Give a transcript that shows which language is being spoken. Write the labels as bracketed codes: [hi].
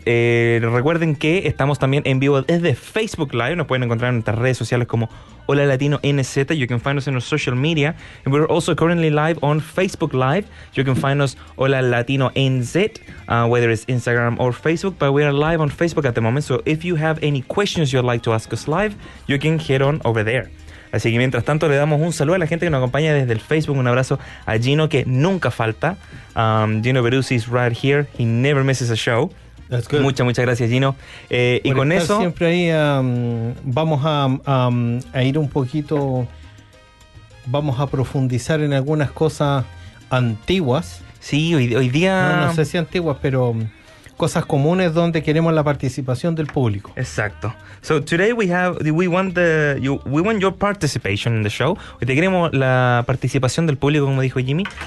[es] Recuerden que estamos también en vivo desde Facebook Live. Nos pueden encontrar en nuestras redes sociales como Hola Latino NZ. [en] You can find us in our social media. And we're also currently live on Facebook Live. You can find us Hola Latino NZ, whether it's Instagram or Facebook. But we are live on Facebook at the moment. So if you have any questions you'd like to ask us live, you can head on over there. [es] Así que mientras tanto le damos un saludo a la gente que nos acompaña desde el Facebook. Un abrazo a Gino, que nunca falta. Gino Beruzzi [en] is right here. He never misses a show. That's good. [es] Muchas gracias, Gino. Y con eso siempre ahí vamos a ir un poquito, vamos a profundizar en algunas cosas antiguas. Sí, hoy día no sé si antiguas, pero cosas comunes donde queremos la participación del público. Exacto. [en] So today we want your participation in the show. [es] Hoy te queremos la participación del público, como dijo Jimmy.